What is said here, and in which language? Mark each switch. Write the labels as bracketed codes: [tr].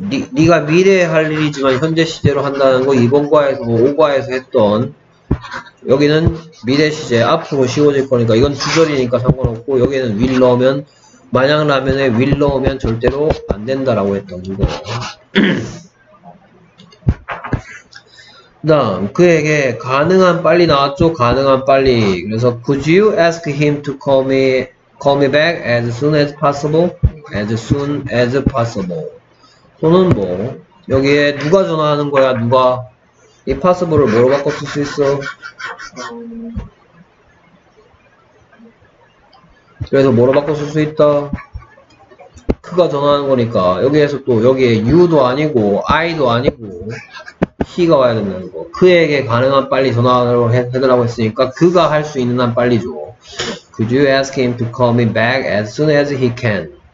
[ko] 네가 미래에 할 일이지만 현재 시제로 한다는 거 이번 과에서 뭐 5과에서 했던 여기는 미래 시제 앞으로 쉬워질 거니까 이건 주절이니까 상관없고 여기는 will 넣으면 만약 라면에 will 넣으면 절대로 안 된다라고 했던 거. 다음 그에게 가능한 빨리 나왔죠. 가능한 빨리. [en] 그래서 could you ask him to call me back as soon as possible? As soon as possible. [ko] 또는 뭐 여기에 누가 전화하는 거야? 누가 이 possible를 뭐로 바꿔 쓸 수 있어? 그래서 뭐로 바꿔 쓸 수 있다? 그가 전화하는 거니까 여기에서 또 여기에 you도 아니고 I도 아니고 he가 와야 된다는 거. 그에게 가능한 빨리 전화하라고 해달라고 했으니까 그가 할 수 있는 한 빨리죠. [en] Could you ask him to call me back as soon as he can?